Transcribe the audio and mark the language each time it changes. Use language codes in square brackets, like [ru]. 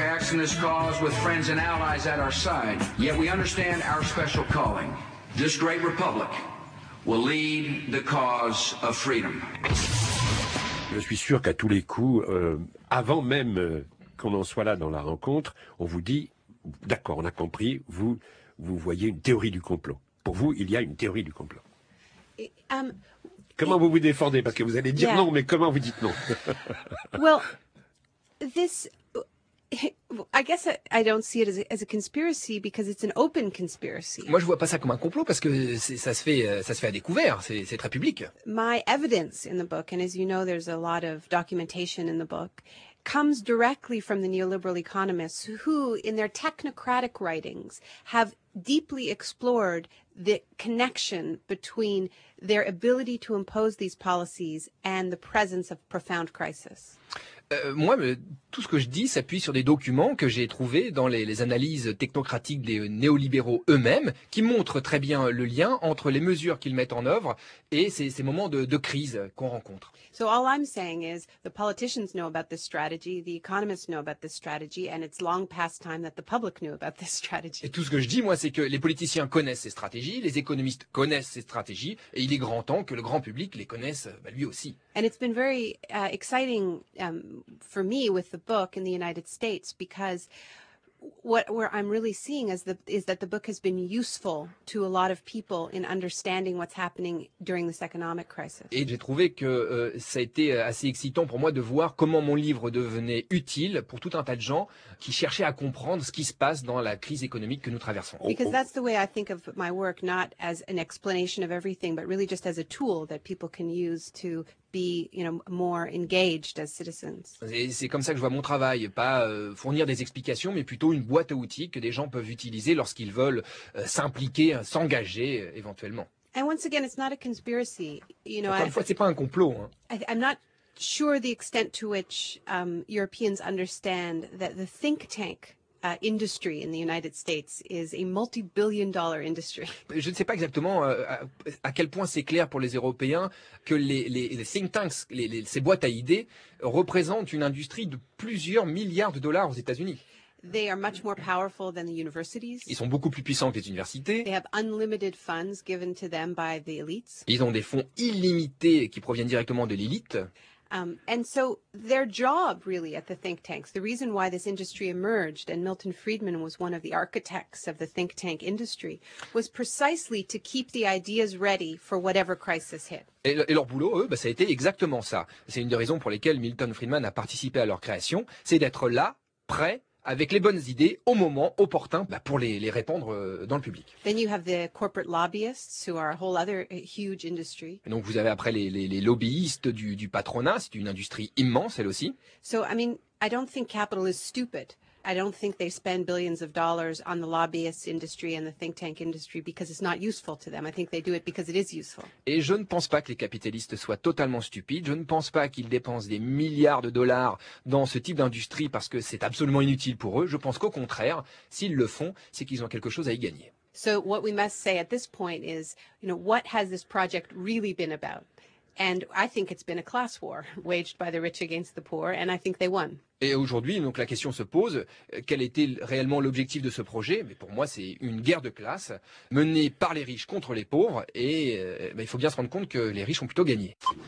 [en] In this cause with friends and allies at our side, yet we understand our special calling. This great republic will lead the cause of freedom. [fr] Je suis sûr qu'à tous les coups, avant même qu'on en soit là dans la rencontre, on vous dit, d'accord, on a compris, vous voyez une théorie du complot. Pour vous, il y a une théorie du complot. Comment vous défendez? Parce que vous allez dire non, mais comment vous dites non? [en] Well, this... I guess I don't see it as a conspiracy because it's an open conspiracy. [fr] Moi, je vois pas ça comme un complot parce que ça se fait à découvert, c'est très public. [en] My evidence in the book, and as you know, there's a lot of documentation in the book, comes directly from the neoliberal economists who, in their technocratic writings, have deeply explored the connection between their ability to impose these policies and the presence of profound crisis. [fr] Moi, tout ce que je dis s'appuie sur des documents que j'ai trouvés dans les analyses technocratiques des néolibéraux eux-mêmes, qui montrent très bien le lien entre les mesures qu'ils mettent en œuvre et ces moments de crise qu'on rencontre. [en] So all I'm saying is, the politicians know about this strategy, the economists know about this strategy, and it's long past time that the public knew about this strategy. [fr] Et tout ce que je dis, moi, c'est que les politiciens connaissent ces stratégies, les économistes connaissent ces stratégies, et il est grand temps que le grand public les connaisse, bah, lui aussi. [en] And it's been very exciting for me with the book in the United States because where I'm really seeing is that the book has been useful to a lot of people in understanding what's happening during this economic crisis. [fr] Et j'ai trouvé que ça a été assez excitant pour moi de voir comment mon livre devenait utile pour tout un tas de gens qui cherchaient à comprendre ce qui se passe dans la crise économique que nous traversons. [en] Because that's the way I think of my work, not as an explanation of everything, but really just as a tool that people can use to be, you know, more engaged as citizens. [fr] Et c'est comme ça que je vois mon travail, pas fournir des explications, mais plutôt une boîte à outils que des gens peuvent utiliser lorsqu'ils veulent s'impliquer, s'engager éventuellement. [en] And once again, it's not a conspiracy. You know, [fr] encore une fois, c'est pas un complot. Hein. [en] I'm not sure the extent to which Europeans understand that the think tank industry in the United States is a multi-billion-dollar industry. [fr] Je ne sais pas exactement à quel point c'est clair pour les Européens que les think tanks, ces boîtes à idées, représentent une industrie de plusieurs milliards de dollars aux États-Unis. [en] They are much more powerful than the universities. [fr] Ils sont beaucoup plus puissants que les universités. [en] They have unlimited funds given to them by the elites. [fr] Ils ont des fonds illimités qui proviennent directement de l'élite. [en] And so their job really at the think tanks, the reason why this industry emerged, and Milton Friedman was one of the architects of the think tank industry, was precisely to keep the ideas ready for whatever crisis hit. [fr] Et leur boulot, eux, bah, ça a été exactement ça. C'est une des raisons pour lesquelles Milton Friedman a participé à leur création, c'est d'être là, prêt, avec les bonnes idées, au moment opportun, bah, pour les répandre dans le public. [en] Then you have the corporate lobbyists, who are a whole other huge industry. [fr] Et donc vous avez après les lobbyistes du patronat, c'est une industrie immense, elle aussi. [en] So, I mean, I don't think capital is stupid. I don't think they spend billions of dollars on the lobbyist industry and the think tank industry because it's not useful to them. I think they do it because it is useful. [fr] Et je ne pense pas que les capitalistes soient totalement stupides. Je ne pense pas qu'ils dépensent des milliards de dollars dans ce type d'industrie parce que c'est absolument inutile pour eux. Je pense qu'au contraire, s'ils le font, c'est qu'ils ont quelque chose à y gagner. [en] So what we must say at this point is, you know, what has this project really been about? And I think it's been a class war waged by the rich against the poor, and I think they won. [fr] Et aujourd'hui, donc, la question se pose, quel était réellement l'objectif de ce projet? Mais pour moi, c'est une guerre de classe menée par les riches contre les pauvres, et bah, il faut bien se rendre compte que les riches ont plutôt gagné. «